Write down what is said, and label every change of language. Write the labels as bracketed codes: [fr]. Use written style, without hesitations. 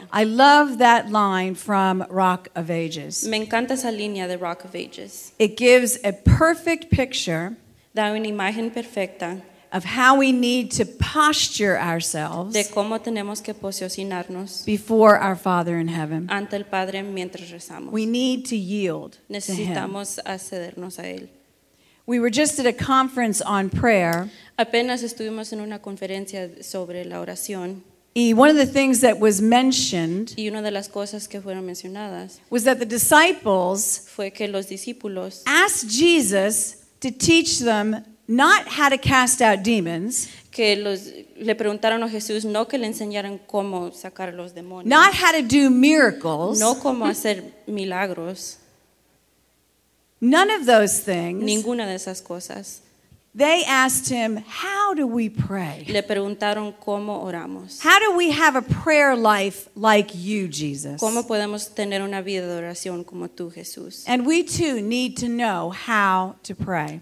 [en] I love that line from Rock of Ages. [es] Me encanta esa línea de Rock of Ages. [en] It gives a perfect picture. [es] Da una imagen perfecta. [en] Of how we need to posture ourselves. [es] De cómo tenemos que posicionarnos. [en] Before our Father in heaven. [es] Ante el Padre mientras rezamos. [en] We need to yield. [es] Necesitamos accedernos a él. [en] We were just at a conference on prayer. [es] Apenas estuvimos en una conferencia sobre la oración. [en] Y one of the things that was mentioned. [es] Y una de las cosas que fueron mencionadas. [en] Was that the disciples. [es] Fue que los discípulos. [en] Asked Jesus to teach them not how to cast out demons. [es] Que los le preguntaron a Jesús no que le enseñaran cómo sacar a los demonios. [en] Not how to do miracles. [es] No cómo hacer milagros. [en] None of those things. [es] Ninguna de esas cosas. [en] They asked him, "How do we pray?" [es] Le preguntaron cómo oramos. [en] How do we have a prayer life like you, Jesus? [es] ¿Cómo podemos tener una vida de oración como tú, Jesús? [en] And we too need to know how to pray.